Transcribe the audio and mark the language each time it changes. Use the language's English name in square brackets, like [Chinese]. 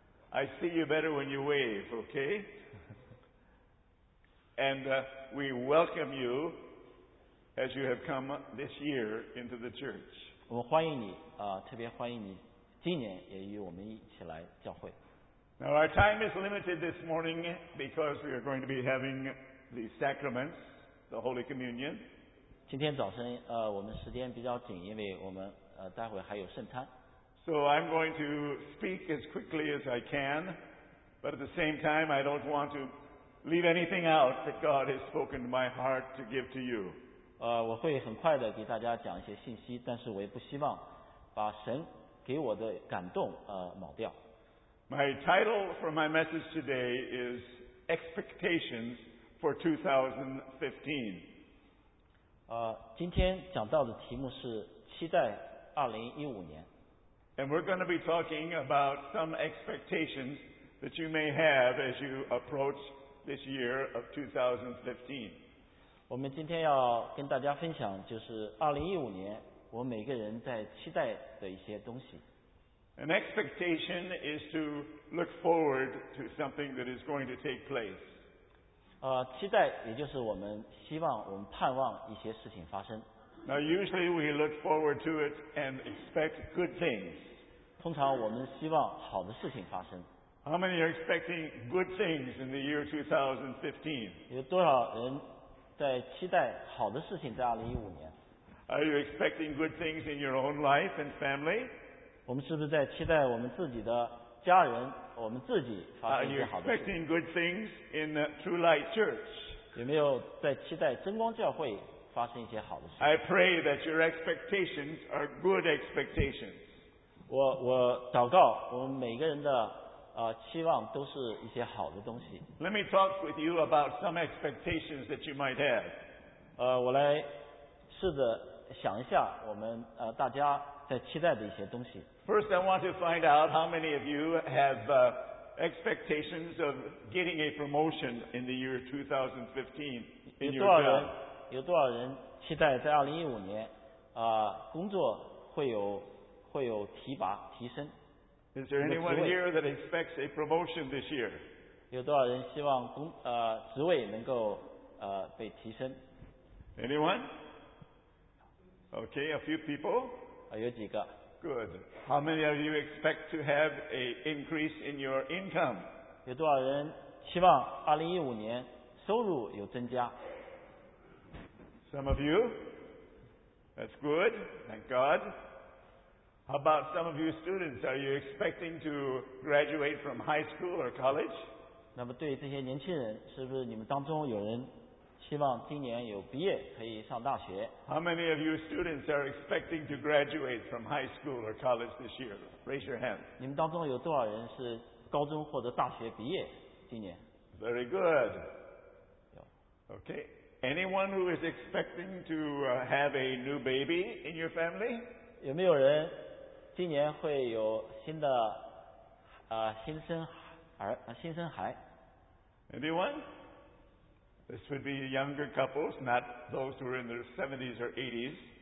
[English] I see you better when you wave, okay? And we welcome you. As you have come this year into the church. [Chinese] 我们欢迎你，特别欢迎你今年也与我们一起来教会。 [English] Now our time is limited this morning because we are going to be having the sacraments, the Holy Communion. [Chinese] 今天早晨，我们时间比较紧，因为我们待会还有圣餐。 [English] So I'm going to speak as quickly as I can, but at the same time I don't want to leave anything out that God has spoken to my heart to give to you. [Chinese] 我会很快的给大家讲一些信息，但是我也不希望把神给我的感动抹掉。 [English] My title for my message today is Expectations for 2015. [Chinese] 今天讲到的题目是期待2015年。 [English] And we're going to be talking about some expectations that you may have as you approach this year of 2015. [Chinese] 我们今天要跟大家分享，就是2015年我们每个人在期待的一些东西。 [English] An expectation is to look forward to something that is going to take place. [Chinese] 期待也就是我们希望，我们盼望一些事情发生。 [English] Now usually we look forward to it and expect good things. [Chinese] 通常我们希望好的事情发生。 [English] How many are expecting good things in the year 2015? [Chinese] 有多少人在期待好的事情在2015年。 [English] Are you expecting good things in your own life and family? [Chinese] 我们是不是在期待我们自己的家人，我们自己发生一些好的事情？ [English] Are you expecting good things in True Light Church? [Chinese] 有没有在期待真光教会发生一些好的事？ [English] I pray that your expectations are good expectations. [Chinese] 我祷告我们每个人的期望都是一些好的东西。 [English] Let me talk with you about some expectations that you might have. [Chinese] 我来试着想一下我们大家在期待的一些东西。 [English] First, I want to find out how many of you have expectations of getting a promotion in the year 2015 in your job. [Chinese] 有多少人期待在2015年工作会有提拔提升？ [English] Is there anyone here that expects a promotion this year? [Chinese] 有多少人希望职位能够被提升？ [English] Anyone? Okay, a few people. [Chinese] 有几个。 [English] Good. How many of you expect to have an increase in your income? [Chinese] 有多少人希望2015年收入有增加？ [English] Some of you. That's good. Thank God. How about some of you students? Are you expecting to graduate from high school or college? [Chinese] 那么对这些年轻人，是不是你们当中有人希望今年有毕业可以上大学？ [English] How many of you students are expecting to graduate from high school or college this year? Raise your hand. [Chinese] 你们当中有多少人是高中或者大学毕业今年？ [English] Very good. Okay. Anyone who is expecting to have a new baby in your family? [Chinese] 有没有人今年会有新的新生孩？ [English] Anyone? This would be younger couples, not those who are in their 70s or 80s.